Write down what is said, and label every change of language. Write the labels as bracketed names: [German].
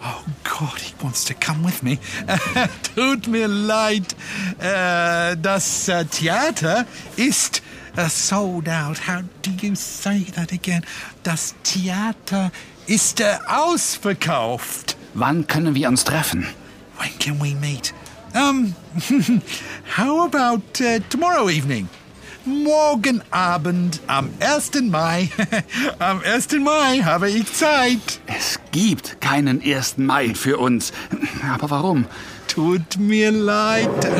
[German] Oh Gott, [English] he wants to come with me. [German] Tut mir leid. Das Theater ist [English] sold out. How do you say that again? [German] Das Theater ist ausverkauft. Wann können wir uns treffen? [English] When can we meet? How about tomorrow evening? [German] Morgen Abend am 1. Mai. Am 1. Mai habe ich Zeit. Es gibt keinen 1. Mai für uns. Aber warum? Tut mir leid.